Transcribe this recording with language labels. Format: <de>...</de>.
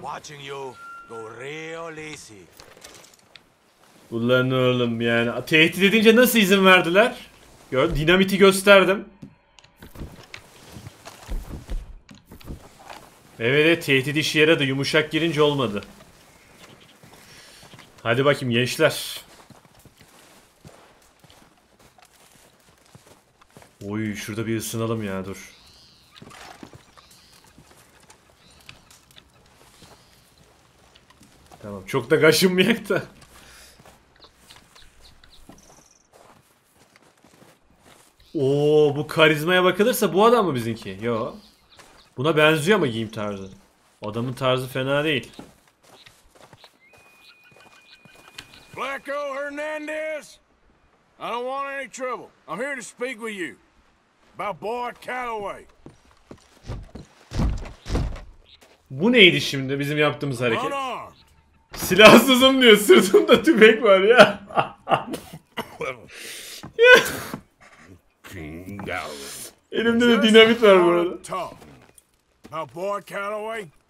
<en>Watching you go real easy.</en> <tr>Ulan oğlum, yani tehdit edince nasıl izin verdiler? Gör, dinamiti gösterdim. Evet, tehdit işi yaradı. Yumuşak girince olmadı. Hadi bakayım gençler. Oy, şurada bir ısınalım ya, dur. Tamam, çok da kaşınmayak da. Oo, bu karizmaya bakılırsa bu adam mı bizimki? Yo. Buna benziyor ama giyim tarzı. Adamın tarzı fena değil.</tr> <en>Blacko Hernandez. I don't want any trouble. I'm here to speak with you about Boyd Calloway.</en> <tr>Bu neydi şimdi bizim yaptığımız hareket? Silahsızım diyor. Sırtımda tüfek var ya. Ya. Elimde de dinamit var bu arada.</tr> <en>My boy Calloway?</en>